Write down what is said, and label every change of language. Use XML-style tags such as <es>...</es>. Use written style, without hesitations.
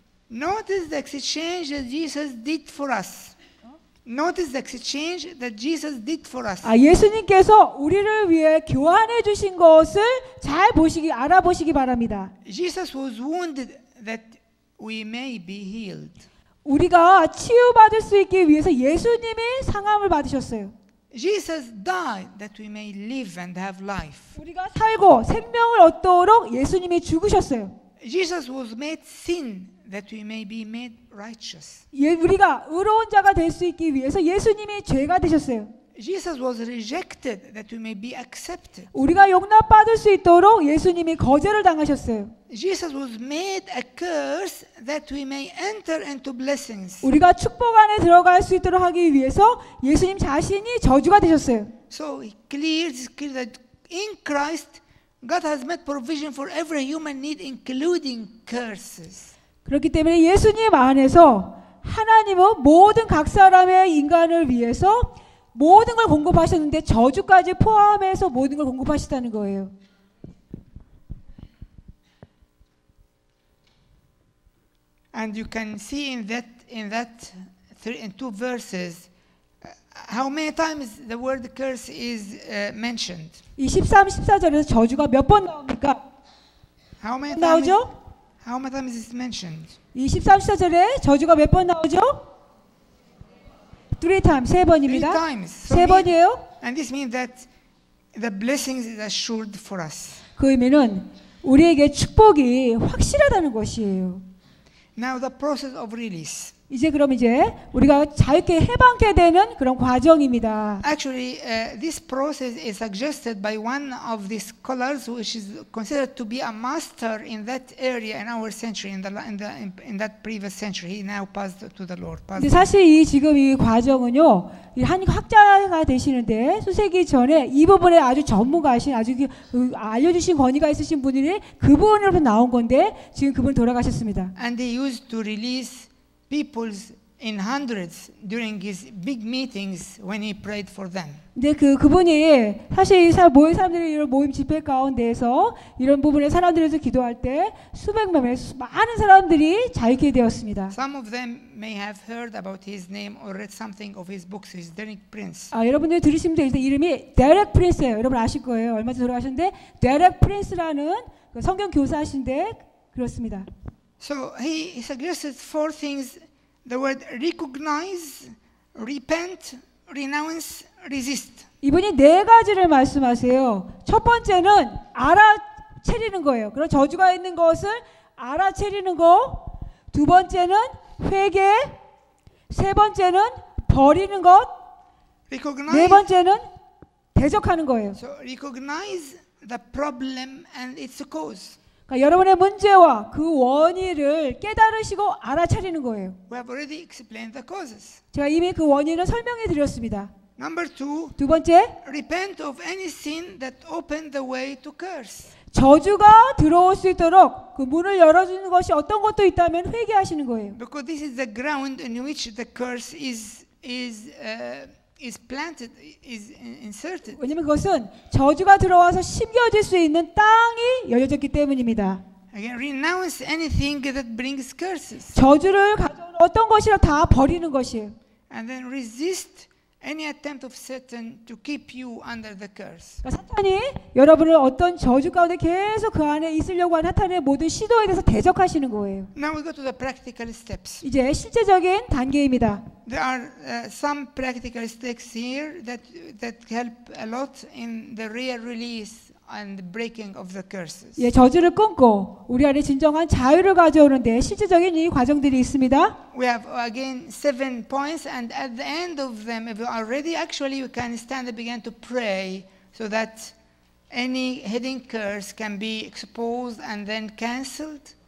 <en>Notice the exchange that Jesus did for us. Notice the exchange that Jesus did for us.</en> <ko>아, 예수님께서 우리를 위해 교환해 주신 것을 잘 보시기 알아보시기 바랍니다.</ko> <en>Jesus was wounded that we may be healed.</en> <ko>우리가 치유받을 수 있기 위해서 예수님이 상함을 받으셨어요.</ko> <en>Jesus died that we may live and have life.</en> <ko>우리가 살고 생명을 얻도록 예수님이 죽으셨어요.</ko> <en>Jesus was made sin that we may be made righteous.</en> <ko>예, 우리가 의로운 자가 될 수 있기 위해서 예수님이 죄가 되셨어요.</ko> <en>Jesus was rejected that we may be accepted.</en> <ko>우리가 용납받을 수 있도록 예수님이 거절을 당하셨어요.</ko> <en>Jesus was made a curse that we may enter into blessings.</en> <ko>우리가 축복 안에 들어갈 수 있도록 하기 위해서 예수님 자신이 저주가 되셨어요.</ko> <en>So it clear that in Christ God has made provision for every human need including curses.</en> <ko>그렇기 때문에 예수님 안에서 하나님은 모든 각 사람의 인간을 위해서 모든 걸 공급하셨는데 저주까지 포함해서 모든 걸 공급하셨다는 거예요.</ko> <en>And you can see in that three, in two verses how many times the word curse is mentioned.</en> <ko>23, 14절에서 저주가 몇 번 나옵니까?</ko> <en>How many</en> <ko>나오죠?</ko> <en>Times? How many times is it mentioned?</en> <ko>23, 14절에 저주가 몇 번 나오죠?</ko> <en>Three times,</en> <ko>세 번입니다.</ko> <en>Three times. So</en> <ko>세 번이에요.</ko> <en>And this means that the blessings is assured for us.</en> <ko>그 의미는 우리에게 축복이 확실하다는 것이에요.</ko> <en>Now the process of release.</en> <ko>이제 그럼 이제 우리가 자유케 해방케 되는 그런 과정입니다.</ko> <en>Actually, this process is suggested by one of the scholars, which is considered to be a master in that area in our century, in that previous century. He now passed to the Lord.</en> <ko>근데 사실 이 지금 이 과정은요, 이 한 학자가 되시는데 수세기 전에 이 부분에 아주 전문가이신 아주 알려주신 권위가 있으신 분이 그분으로 나온 건데 지금 그분 돌아가셨습니다.</ko> <en>And he used to release peoples in hundreds during his big meetings when he prayed for them.</en> <ko>근데 그분이 사실 이 모인 사람들이 이런 모임 집회 가운데서 이런 부분에 사람들에서 기도할 때 수백 명의 많은 사람들이 자유케 되었습니다.</ko> <en>Some of them may have heard about his name or read something of his books. He's Derek Prince.</en> <ko>아 여러분들 들으시면 되는데 이름이 Derek Prince예요. 여러분 아실 거예요. 얼마 전에 돌아가셨는데 Derek Prince라는 그 성경 교사신데 그렇습니다.</ko> <en>So he suggested four things: the word recognize, repent, renounce, resist.</en> <ko>이분이 네 가지를 말씀하세요. 첫 번째는 알아채리는 거예요. 그런 저주가 있는 것을 알아채리는 거. 두 번째는 회개. 세 번째는 버리는 것.</ko> <en>Recognize,</en> <ko>네 번째는 대적하는 거예요.</ko> <en>So recognize the problem and its cause.</en> <ko>그러니까 여러분의 문제와 그 원인을 깨달으시고 알아차리는 거예요.</ko> <en>We have already explained the causes.</en> <ko>제가 이미 그 원인을 설명해 드렸습니다.</ko> <en>Number two,</en> <ko>두 번째,</ko> <en>repent of any sin that opened the way to curse.</en> <ko>저주가 들어올 수 있도록 그 문을 열어주는 것이 어떤 것도 있다면 회개하시는 거예요.</ko> <en>Because this is the ground in which the curse is planted, is inserted.</en> <ko>왜냐면 그것은 저주가 들어와서 심겨질 수 있는 땅이 열려졌기 때문입니다.</ko> <en>Again, renounce anything that brings curses.</en> <ko>저주를 가져온 어떤 것이라 다 버리는 것이에요.</ko> <en>And then resist any attempt of Satan to keep you under the curse.</en> <ko>그러니까 사탄이 여러분을 어떤 저주 가운데 계속 그 안에 있으려고 하는 사탄의 모든 시도에 대해서 대적하시는 거예요.</ko> <en>Now we go to the practical steps.</en> <ko>이제 실제적인 단계입니다.</ko> <en>There are some practical steps here that help a lot in the real release and breaking of the curses.</en> <ko>예, 저주를 끊고 우리 안에 진정한 자유를 가져오는데 실제적인 이 과정들이 있습니다.</ko> <en>We have again seven points, and at the end of them, if you are ready, actually you can stand and begin to pray so that any hidden curse can be exposed and then cancelled.</en>